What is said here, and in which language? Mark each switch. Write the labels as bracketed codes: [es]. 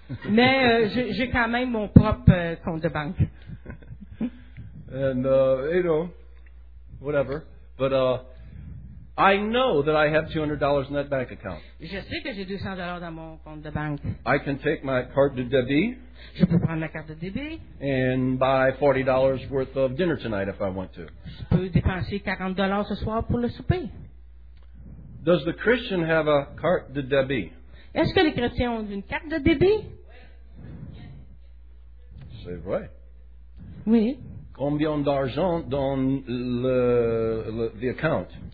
[fr] Mais j'ai quand même mon propre compte de banque. [en] And, you know, whatever. But I know that I have $200 in that bank account. [fr] Je sais que j'ai $200 dans mon compte de banque. [en] I can take my carte de débit. [fr] Je peux prendre ma carte de débit. [en] And buy $40 worth of dinner tonight if I want to. [fr] Je peux dépenser $40 ce soir pour le souper. [en] Does the Christian have a carte de débit? [fr] Est-ce que les chrétiens ont une carte de débit? C'est vrai. Oui. Combien d'argent dans le account?